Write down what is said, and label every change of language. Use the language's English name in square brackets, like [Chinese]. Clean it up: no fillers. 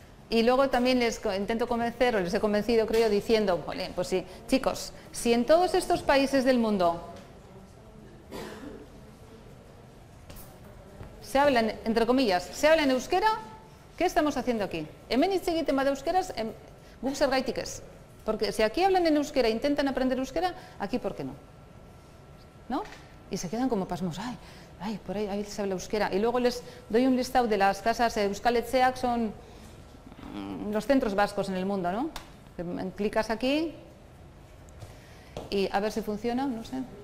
[Spanish] Y luego también les intento convencer, o les he convencido, creo, diciendo, pues sí, chicos, si en todos estos países del mundo se habla, entre comillas, se habla en euskera, ¿qué estamos haciendo aquí? [Basque] Hemen hitz egiten bada euskeraz, guk zergaitik ez. [Spanish] Porque si aquí hablan en euskera e intentan aprender euskera, aquí por qué no. ¿No? Y se quedan como pasmos, ay, por ahí se habla euskera. Y luego les doy un listado de las casas Euskal Etxeak, son los centros vascos en el mundo, ¿no? Clicas aquí y a ver si funciona, no sé.